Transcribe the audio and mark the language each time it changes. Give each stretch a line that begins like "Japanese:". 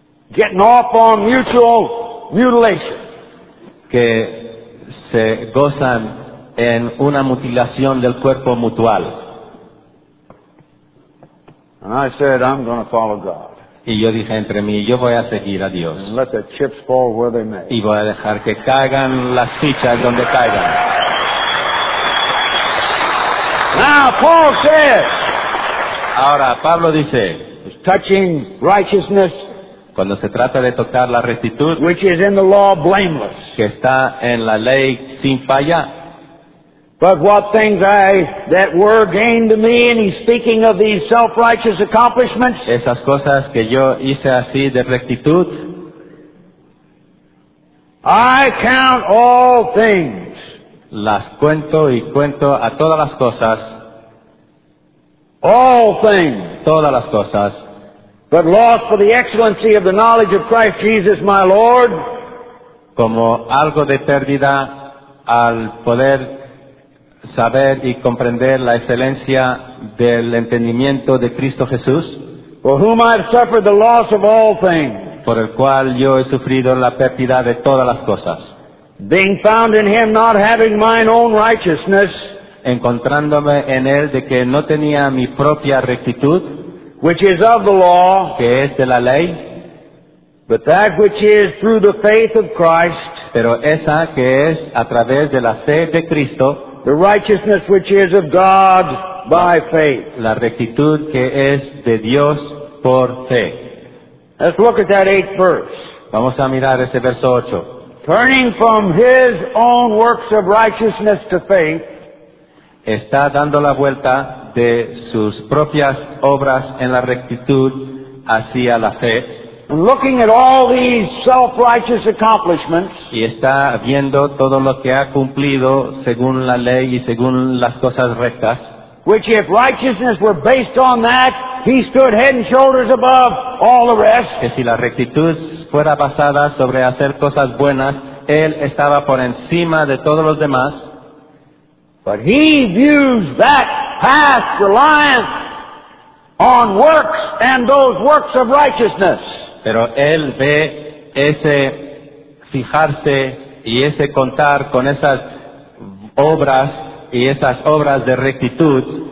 English: Getting off on mutual mutilation.
Spanish: Que se gozan en una mutilación del cuerpo mutual.
English: And I said, I'm going to follow God.
Spanish: Y yo dije entre mí, yo voy a seguir a Dios.
English: And let the chips fall where they may.
Spanish: Y voy a dejar que caigan las fichas donde caigan.
English: Now, Paul says,
Spanish: ahora, Pablo dice,
English: touching righteousness,
Spanish: cuando se trata de tocar la rectitud,
English: which is in the law blameless,
Spanish: que está en la ley sin falla,
English: but what things I that were gained to me, and he's speaking of these self-righteous accomplishments.
Spanish: Esas cosas que yo hice así de rectitud.
English: I count all things.
Spanish: Las cuento y cuento a todas las cosas.
English: All things.
Spanish: Todas las cosas.
English: But lost for the excellency of the knowledge of Christ Jesus my Lord.
Spanish: Como algo de pérdida al poder saber y comprender la excelencia del entendimiento de Cristo Jesús,
English: for whom I have suffered the loss of all things,
Spanish: por el cual yo he sufrido la pérdida de todas las cosas,
English: being found in him not having mine own righteousness,
Spanish: encontrándome en él de que no tenía mi propia rectitud,
English: which is of the law,
Spanish: que es de la ley,
English: but that which is through the faith of Christ,
Spanish: pero esa que es a través de la fe de Cristo,
English: the righteousness which is of God by faith.
Spanish: La rectitud que es de Dios por fe.
English: Let's look at that eighth verse.
Spanish: Vamos a mirar ese verso 8.
English: Turning from his own works of righteousness to faith.
Spanish: Está dando la vuelta de sus propias obras en la rectitud hacia la fe.
English: And looking at all these self-righteous accomplishments,
Spanish: y está viendo todo lo que ha cumplido según la ley y según las cosas rectas,
English: which if righteousness were based on that, he stood head and shoulders above all the rest.
Spanish: Que si la rectitud fuera basada sobre hacer cosas buenas, él estaba por encima de todos los demás.
English: But he views that past reliance on works and those works of righteousness.
Spanish: Pero él ve ese fijarse y ese contar con esas obras y esas obras de rectitud.